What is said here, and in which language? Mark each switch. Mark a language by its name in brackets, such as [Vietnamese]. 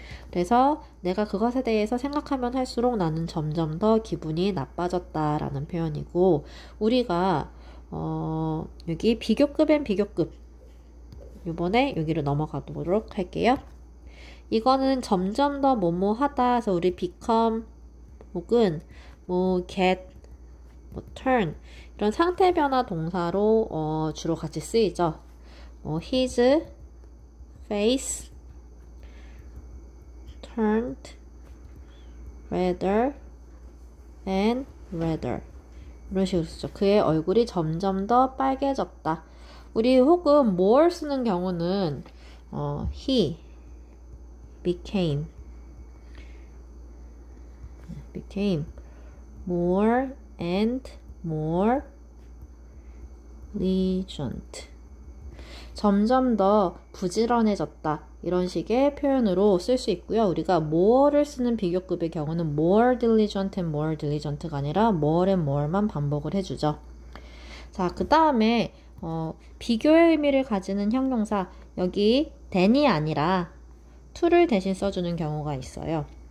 [Korean] 그래서 내가 그것에 대해서 생각하면 할수록 나는 점점 더 기분이 나빠졌다라는 표현이고, 우리가 여기 비교급엔 비교급, 이번에 여기로 넘어가도록 할게요. 이거는 점점 더 뭐뭐하다 해서 우리 become 혹은 뭐 get 뭐 turn 이런 상태 변화 동사로 주로 같이 쓰이죠. [English] 뭐 his face turned redder and redder. [Korean] 이런 식으로 쓰죠. 그의 얼굴이 점점 더 빨개졌다. 우리 혹은 more 쓰는 경우는 [English] he became more and more vigilant. [Korean] 점점 더 부지런해졌다. 이런 식의 표현으로 쓸수 있고요. 우리가 more를 쓰는 비교급의 경우는 [English] more diligent and more diligent [Korean] 가 아니라 [English] more and more [Korean] 만 반복을 해주죠. 자, 그 다음에 비교의 의미를 가지는 형용사, 여기 than이 아니라 to를 대신 써주는 경우가 있어요.